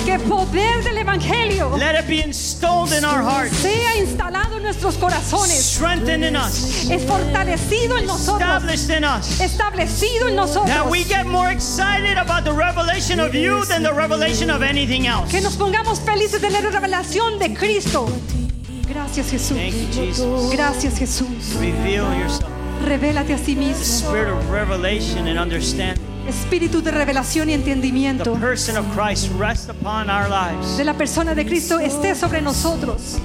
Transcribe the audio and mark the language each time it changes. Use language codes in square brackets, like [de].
[es] Que poder del evangelio. [en] Let it be installed in our hearts. [es] Sea instalado en nuestros corazones. [en] Strengthen in us. [es] Es fortalecido en nosotros. [en] Established in us. [es] Establecido en nosotros. [en] That we get more excited about the revelation of you than the revelation of anything else. [es] Que nos pongamos felices de la revelación de Cristo. Gracias, Jesús. [en] Thank you, Jesus. [es] Gracias, Jesús. [en] Reveal yourself. [es] Revélate a sí mismo. [en] The spirit of revelation and understanding. [es] Espíritu de revelación y entendimiento. [en] The person of Christ rest upon our lives. [es] De la persona de Cristo esté sobre nosotros.